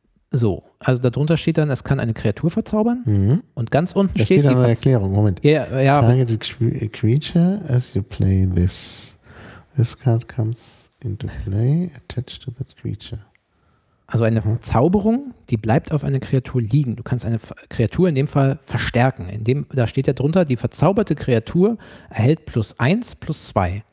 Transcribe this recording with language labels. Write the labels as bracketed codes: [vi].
[de] So, also darunter steht dann, es kann eine Kreatur verzaubern. Mhm. Und ganz unten steht die eine Erklärung. Moment. Yeah, ja. [en] Target a creature as you play this. This card comes into play attached to that creature. [de] Also eine Verzauberung, die bleibt auf einer Kreatur liegen. Du kannst eine Kreatur in dem Fall verstärken. Da steht ja drunter, die verzauberte Kreatur erhält +1/+2.